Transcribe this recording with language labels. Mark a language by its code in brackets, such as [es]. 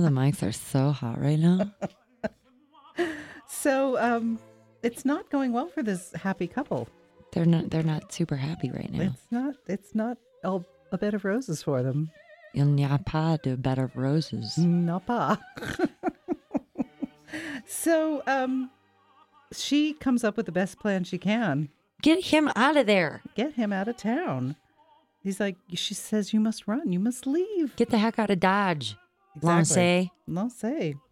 [en] The mics are so hot right now. So it's not going well for this happy couple. They're not super happy right now. It's not all a bed of roses for them. [fr] Il n'y a pas de [en] bed of roses. [fr] N'a pas. [en] So she comes up with the best plan she can. Get him out of there. Get him out of town. He's like, she says, you must run. You must leave. Get the heck out of Dodge. Exactly. Lancey.